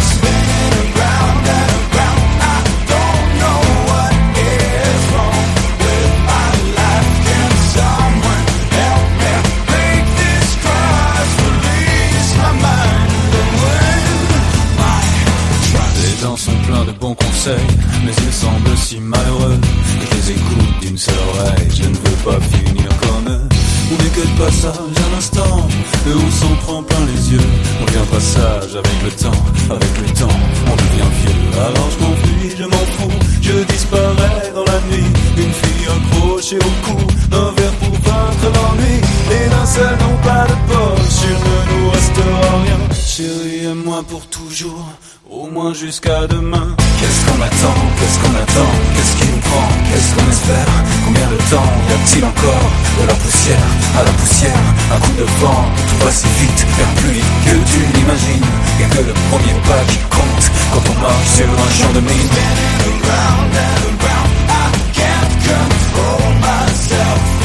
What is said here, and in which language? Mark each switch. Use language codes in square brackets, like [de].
[en] Spinning around and around, I don't know what is wrong with my life. Can someone help me break this cross, release my mind and win my trust? [fr] Les dents sont pleins de bons conseils, mais ils semblent si malheureux. Écoute d'une seule oreille, je ne veux pas finir comme eux. On n'est que de passage à l'instant, et on s'en prend plein les yeux. On devient pas sage avec le temps, on devient vieux. Alors je m'enfuis, je m'en fous, je disparais dans la nuit. Une fille accrochée au cou, un verre pour vaincre l'ennui. Les linceuls n'ont pas de poche, il ne nous restera rien. Chérie, aime-moi pour toujours, au moins jusqu'à demain. Qu'est-ce qu'on attend? Qu'est-ce qu'on attend? Qu'est-ce qui nous prend? Qu'est-ce qu'on espère? Combien de temps y a-t-il encore? De la poussière, un coup de vent, tout va si vite, faire plus vite que tu l'imagines. Et que le premier pas qui compte quand on marche sur un champ de mine. [en] Spinning around and around, I can't control myself.